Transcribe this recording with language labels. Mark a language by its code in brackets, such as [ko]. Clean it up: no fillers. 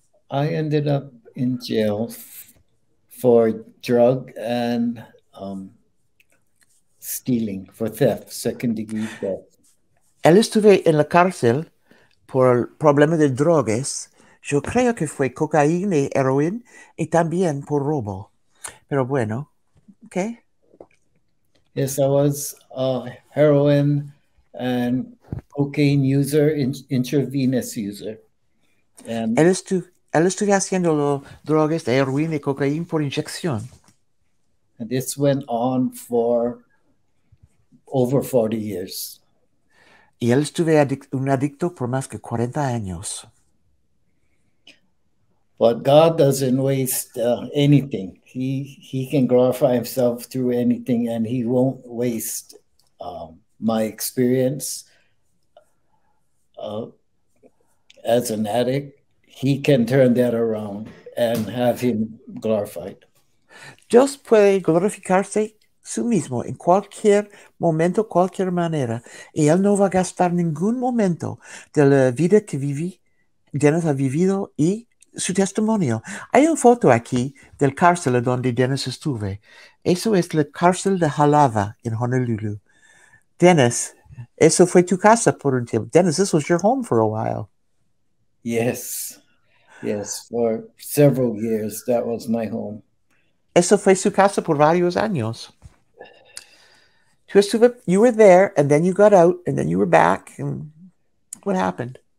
[en] I ended up in jail for drug and stealing, for theft, second degree theft. [es] Él estuvo en la cárcel por el problema de drogas. Yo creo que fue cocaína y heroína y también por robo. Pero bueno, ¿qué? [en] Yes, I was a heroin and cocaine user, intravenous user. [es] And él estuvo haciendo los drogas de heroína y cocaína por inyección. [en] And this went on for over 40 years. [es] Y él estuvo un adicto por más que 40 años. [en] But God doesn't waste anything. He can glorify himself through anything, and he won't waste my experience as an addict. He can turn that around and have him glorified. [es] Dios puede glorificarse su mismo en cualquier momento, cualquier manera, y él no va a gastar ningún momento de la vida que viví, Dennis ha vivido, y su testimonio. Hay una foto aquí del cárcel donde Dennis estuve. Eso es la cárcel de Halava en Honolulu. Dennis, eso fue tu casa por un tiempo. [en] Dennis, this was your home for a while. Yes. Yes, for several years that was my home. [es] Eso fue su casa por varios años. [en] You were there, and then you got out, and then you were back. And what happened?